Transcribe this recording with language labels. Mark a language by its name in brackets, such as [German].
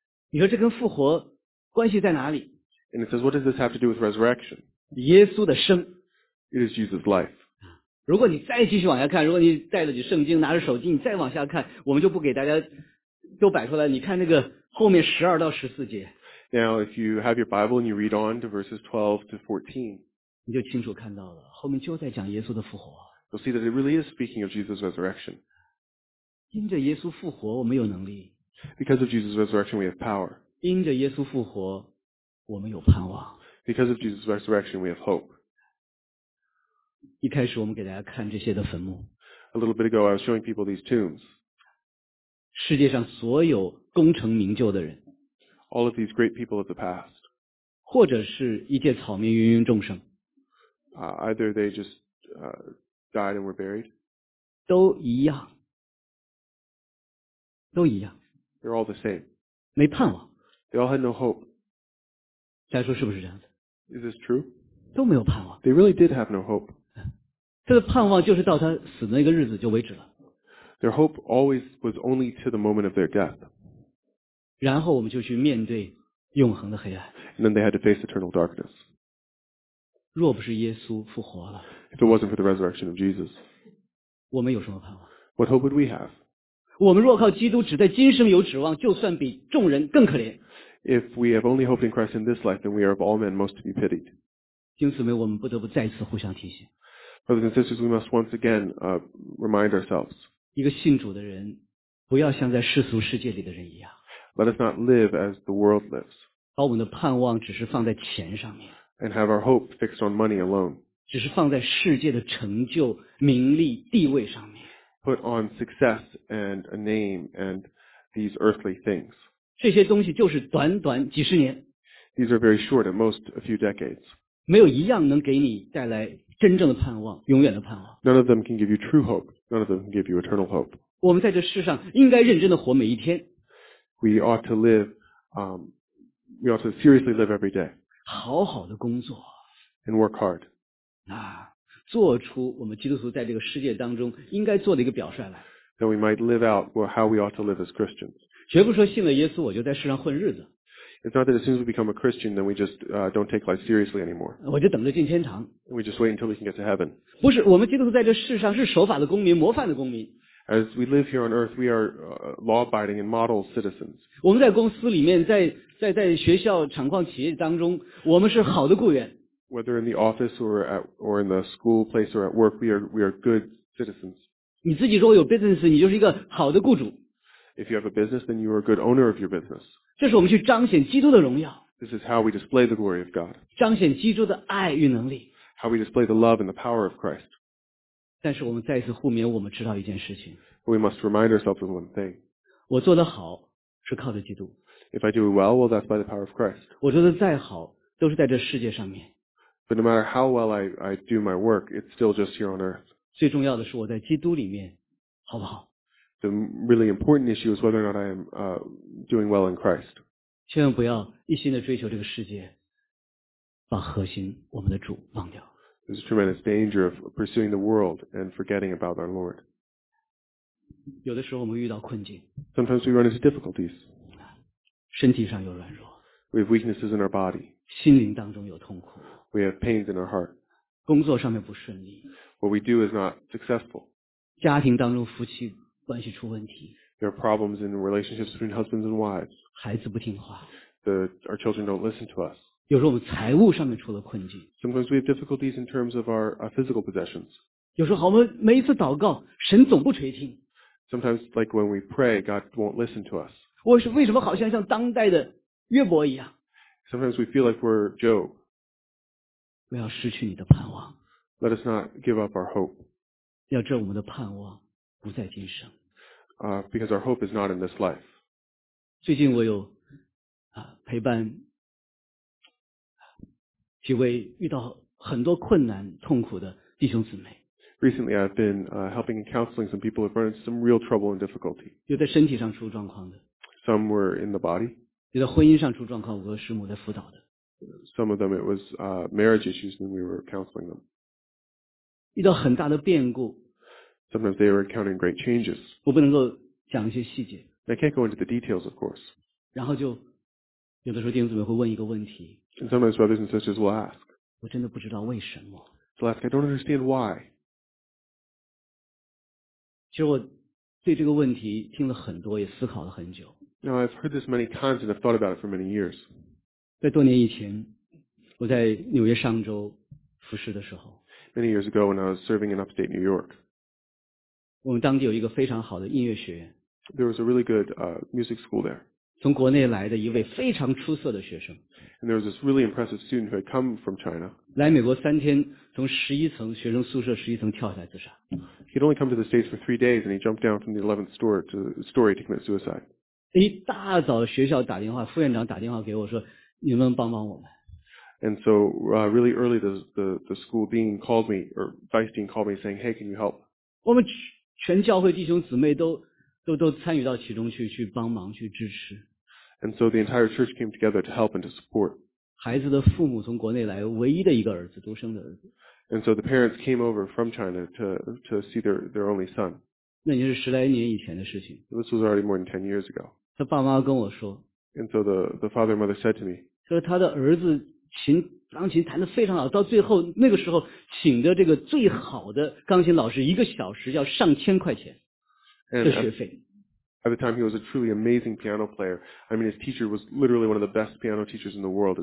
[Chinese] 你说这跟复活关系在哪里 [English] ？And it says, what does this have to do with resurrection? [Chinese] 耶稣的生。 [English] It is Jesus' life. [Chinese] 如果你再继续往下看，如果你带着你圣经拿着手机你再往下看，我们就不给大家都摆出来，你看那个后面十二到十四节。 [English] Now, if you have your Bible and you read on to verses 12 to 14, [Chinese] 你就清楚看到了，后面就在讲耶稣的复活。 [English] You'll see that it really is speaking of Jesus' resurrection. [Chinese] 因着耶稣复活我们有能力。 [English] Because of Jesus' resurrection, we have power. [Chinese] 因着耶稣复活我们有盼望。 [English] Because of Jesus' resurrection, we have hope. [Chinese] 一开始我们给大家看这些的坟墓。 [English] A little bit ago, I was showing people these tombs. [Chinese] 世界上所有功成名就的人。 [English] All of these great people of the past. [Chinese] 或者是一介草民芸芸众生。 [English] Either they just died and were buried. [Chinese] 都一样。都一样。 [English] They're all the same. [Chinese] 没盼望。 [English] They all had no hope. [Chinese] 大家说是不是这样子 [English] ？Is this true? [Chinese] 都没有盼望。 [English] They really did have no hope. [Chinese] 他的盼望就是到他死的那个日子就为止了。 [English] Their hope always was only to the moment of their death. [Chinese] 然后我们就去面对永恒的黑暗。 [English] And then they had to face eternal darkness. [Chinese] 若不是耶稣复活了。 [English] If it wasn't for the resurrection of Jesus. [Chinese] 我们有什么盼望 [English] ?What hope would we have? [Chinese] 我们若靠基督只在今生有指望就算比众人更可怜。 [English] If we have only hoped in Christ in this life, then we are of all men most to be pitied. [Chinese] 因此我们不得不再次互相提醒。 [English] Brothers and sisters, we must once again remind ourselves. [Chinese] 一个信主的人不要像在世俗世界里的人一样。 [English] Let us not live as the world lives. [Chinese] 把我们的盼望只是放在钱上面。 [English] And have our hope fixed on money alone. [Chinese] 只是放在世界的成就、名利、地位上面。 [English] Put on success and a name and these earthly things. [Chinese] 这些东西就是短短几十年。 [English] These are very short, at most a few decades. [Chinese] 没有一样能给你带来真正的盼望，永远的盼望。 [English] None of them can give you true hope. None of them can give you eternal hope. [Chinese] 我们在这世上应该认真的活每一天。 [English] We ought to live, we ought to seriously live every day. [Chinese] 好好的工作。 [English] And work hard. [Chinese] 做出我们基督徒在这个世界当中应该做的一个表率来。 [English] That we might live out how we ought to live as Christians. [Chinese] 绝不说信了耶稣我就在世上混日子。 [English] It's not that as soon as we become a Christian, then we just don't take life seriously anymore. [Chinese] 我就等着进天堂。 [English] We just wait until we can get to heaven. [Chinese] 不是，我们基督徒在这世上是守法的公民，模范的公民。 [English] As we live here on earth, we are law-abiding and model citizens. [Chinese] 我们在公司里面，在学校、厂矿、企业当中，我们是好的雇员。 [English] Whether in the office or in the school place or at work, we are good citizens. [Chinese] 你自己如果有 business, 你就是一个好的雇主。 [English] If you have a business, then you are a good owner of your business. [Chinese] 这是我们去彰显基督的荣耀。 [English] This is how we display the glory of God. [Chinese] 彰显基督的爱与能力。 [English] How we display the love and the power of Christ. [Chinese] 但是我们再一次互勉，我们知道一件事情。 [English] We must remind ourselves of one thing. [Chinese] 我做得好是靠着基督。 [English] If I do well, well, that's by the power of Christ. [Chinese] 我做得再好都是在这世界上面。 [English] But no matter how well I do my work, it's still just here on earth. [Chinese] 最重要的是我在基督里面好不好。 [English] The really important issue is whether or not I am doing well in Christ. [Chinese] 千万不要一心的追求这个世界，把核心我们的主忘掉。 [English] There's a tremendous danger of pursuing the world and forgetting about our Lord. [Chinese] 有的时候我们遇到困境。 [English] Sometimes we run into difficulties. [Chinese] 身体上有软弱。 [English] We have weaknesses in our body. [Chinese] 心灵当中有痛苦。 [English] We have pains in our heart. [Chinese] 工作上面不顺利。 [English] What we do is not successful. [Chinese] 家庭当中夫妻关系出问题。 [English] There are problems in relationships between husbands and wives. [Chinese] 孩子不听话。 [English] Our children don't listen to us. [Chinese] 有时候我们财务上面出了困境。 [English] Sometimes we have difficulties in terms of our physical possessions. [Chinese] 有时候好，我们每一次祷告，神总不垂听。 [English] Sometimes, like when we pray, God won't listen to us. [Chinese] 我是为什么好像像当代的约伯一样？ [English] Sometimes we feel like we're Job. [Chinese] 不要失去你的盼望。 [English] Let us not give up our hope. [Chinese] 要知道我们的盼望不在今生。 [English] Because our hope is not in this life. [Chinese] 最近我有陪伴几位遇到很多困难痛苦的弟兄姊妹。 [English] Recently I've been helping and counseling some people who have run into some real trouble and difficulty. [Chinese] 有在身体上出状况的。 [English] Some were in the body. [Chinese] 有在婚姻上出状况，我和师母在辅导的。 [English] Some of them it was marriage issues and we were counseling them. [Chinese] 遇到很大的变故。 [English] Sometimes they were encountering great changes. [Chinese] 我不能够讲一些细节。 [English] I can't go into the details, of course. [Chinese] 然后就有的时候弟兄姊妹会问一个问题。 [English] And sometimes brothers and sisters will ask. [Chinese] 我真的不知道为什么。 [English] They'll ask, I don't understand why. [Chinese] 其实我对这个问题听了很多，也思考了很久。 [English] Now I've heard this many times and I've thought about it for many years. [Chinese] 在多年以前，我在纽约商州服侍的时候。 [English] Many years ago when I was serving in upstate New York. [Chinese] 我们当地有一个非常好的音乐学院。 [English] There was a really good music school there. [Chinese] 从国内来的一位非常出色的学生。 [English] And there was this really impressive student who had come from China. [Chinese] 来美国三天，从十一层学生宿舍十一层跳下来自杀。 [English] He'd only come to the States for 3 days and he jumped down from the 11th story to commit suicide. [Chinese] 一大早学校打电话，副院长打电话给我说，你们帮帮我们。 [English] And so, really early, the school dean called me, or vice dean called me saying, hey, can you help? [Chinese] 我们全教会弟兄姊妹都参与到其中去帮忙去支持。 [English] And so the entire church came together to help and to support. [Chinese] 孩子的父母从国内来，唯一的一个儿子，独生的儿子。 [English] And so the parents came over from China to see their only son. [Chinese] 那也是十来年以前的事情。 [English] This was already more than 10 years ago. [Chinese] 他爸妈跟我说。 [English] And so the father and mother said to me. [Chinese] 说他的儿子钢琴弹得非常好，到最后那个时候请的这个最好的钢琴老师一个小时要上千块钱。 [English] At the time, he was a truly amazing piano player. I mean, his teacher was literally one of the best piano teachers in the world.